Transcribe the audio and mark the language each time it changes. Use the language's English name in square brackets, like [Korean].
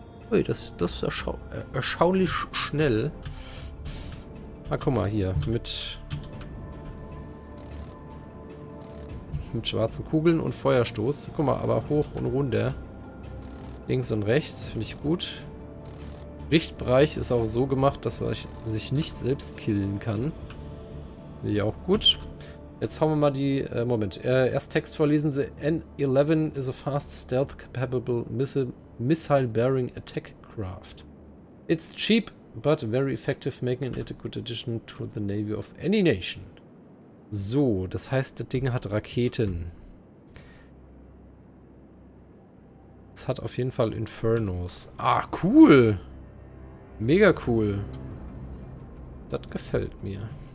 [German] Ui, das ist erschaulich schnell. Ah, guck mal hier, mit schwarzen Kugeln und Feuerstoß. Guck mal, aber hoch und runter. Links und rechts, finde ich gut. Richtbereich ist auch so gemacht, dass man sich nicht selbst killen kann. Finde ich auch gut. Jetzt haben wir mal die. Moment. Erst Text vorlesen. [English] The N11 is a fast stealth-capable missile-bearing attack craft. It's cheap, but very effective, making it a good addition to the navy of any nation. [German] So, das heißt, das Ding hat Raketen. Es hat auf jeden Fall Infernos. Ah, cool! Mega cool. Das gefällt mir.